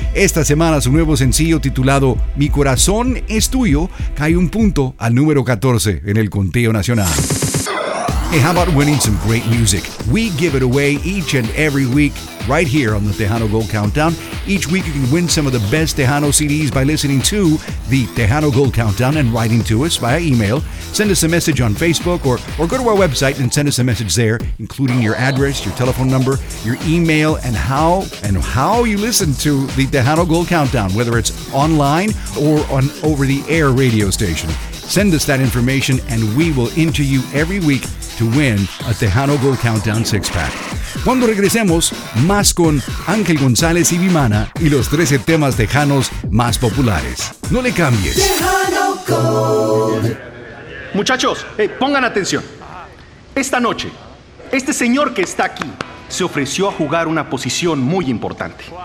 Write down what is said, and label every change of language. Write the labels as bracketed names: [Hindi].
[Spanish] Esta semana su nuevo sencillo titulado Mi Corazón es Tuyo cae un punto al número 14 en el conteo nacional. [English] Hey, how about winning some great music? We give it away each and every week right here on the Tejano Gold Countdown. Each week you can win some of the best Tejano CDs by listening to the Tejano Gold Countdown and writing to us via email. Send us a message on Facebook or go to our website and send us a message there, including your address, your telephone number, your email, and how you listen to the Tejano Gold Countdown, whether it's online or on over-the-air radio station. Send us that information and we will enter you every week to win a Tejano Gold Countdown 6-pack. [Spanish] Cuando regresemos, más con Ángel González y Vimana y los 13 temas tejanos más populares. No le cambies. Tejano Gold. Muchachos, hey, pongan atención. Esta noche, este señor que está aquí se ofreció a jugar una posición muy importante.